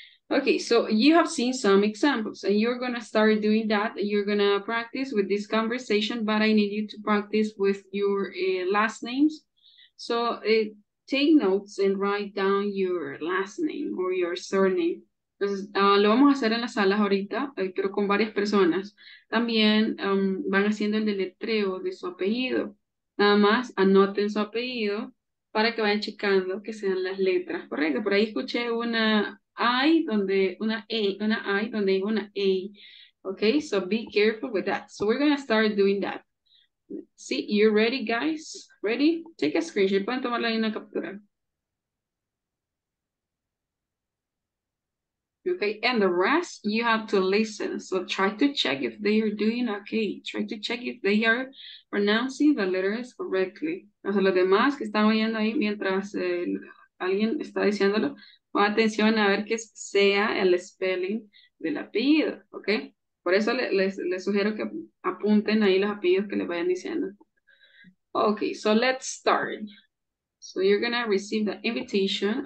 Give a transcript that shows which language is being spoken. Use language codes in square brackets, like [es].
[en] Okay, so you have seen some examples and you're going to start doing that. You're going to practice with this conversation, but I need you to practice with your last names. So take notes and write down your last name or your surname. [es] Entonces, lo vamos a hacer en las salas ahorita, pero con varias personas. También van haciendo el deletreo de su apellido. Nada más anoten su apellido para que vayan checando que sean las letras. Correcto, por ahí escuché una I donde, una A, una I donde hay una A. [en] Ok, so be careful with that. So we're going to start doing that. See, you're ready, guys? Ready? Take a screenshot. Pueden tomarla en una captura. Okay, and the rest, you have to listen. So try to check if they are doing okay. Try to check if they are pronouncing the letters correctly. [es] O sea, los demás que están oyendo ahí mientras alguien está diciéndolo, pon atención a ver que sea el spelling del apellido, okay? Por eso les sugiero que apunten ahí los apellidos que les vayan diciendo. [en] Okay, so let's start. So you're going to receive the invitation.